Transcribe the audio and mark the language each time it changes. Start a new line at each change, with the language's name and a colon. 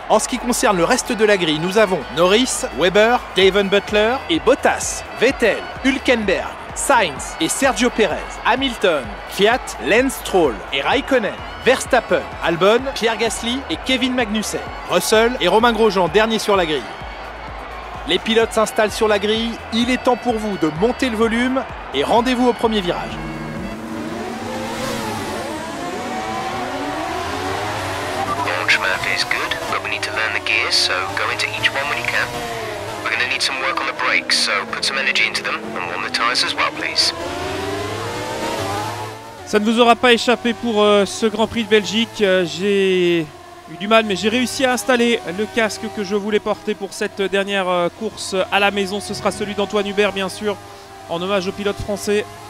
French: En ce qui concerne le reste de la grille, nous avons Norris, Weber, Devon Butler et Bottas, Vettel, Hülkenberg, Sainz et Sergio Perez, Hamilton, Kvyat, Lance Stroll et Raikkonen, Verstappen, Albon, Pierre Gasly et Kevin Magnussen, Russell et Romain Grosjean, dernier sur la grille. Les pilotes s'installent sur la grille, il est temps pour vous de monter le volume et rendez-vous au premier virage.
English: Launch math is good, but we need to learn the gears, so go into each one when you can. We're going to need some work on the brakes, so put some energy into them and warm the tires as well, please.
French: Ça ne vous aura pas échappé pour ce Grand Prix de Belgique, j'ai eu du mal, mais j'ai réussi à installer le casque que je voulais porter pour cette dernière course à la maison. Ce sera celui d'Antoine Hubert, bien sûr, en hommage au pilote français.